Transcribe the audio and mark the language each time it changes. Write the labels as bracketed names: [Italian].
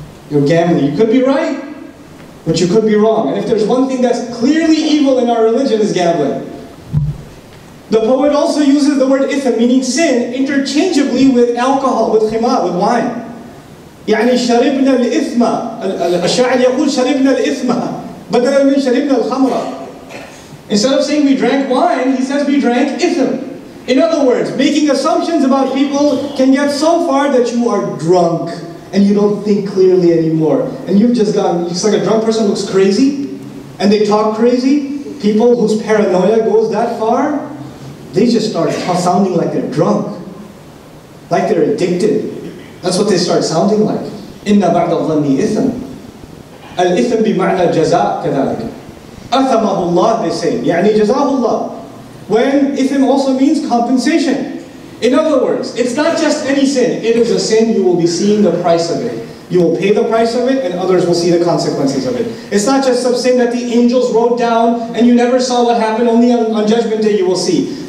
[English] You're gambling. You could be right, but you could be wrong. And if there's one thing that's clearly evil in our religion, is gambling. The poet also uses the word ithm, meaning sin, interchangeably with alcohol, with khimar, with wine. [Arabic] يعني شربنا الإثم. الشاعر يقول شربنا الإثم. بدلا من شربنا الخمرة. [English] Instead of saying we drank wine, he says we drank ithm. In other words, making assumptions about people can get so far that you are drunk and you don't think clearly anymore. And you've just gone, it's like a drunk person looks crazy and they talk crazy. People whose paranoia goes that far, they just start sounding like they're drunk, like they're addicted. That's what they start sounding like. [Arabic] إِنَّ بَعْدَ الظَّنِّ إِثْمٍ. الْإِثْمٍ بِمَعْنَى جَزَاءٍ كَذَلِكَ. أَثَمَهُ اللَّهُ, [English] they say. [Arabic] يَعْنِي جَزَاهُ اللَّهُ. [English] when ithm also means compensation. In other words, it's not just any sin. It is a sin, you will be seeing the price of it. You will pay the price of it, and others will see the consequences of it. It's not just some sin that the angels wrote down, and you never saw what happened, only on Judgment Day you will see.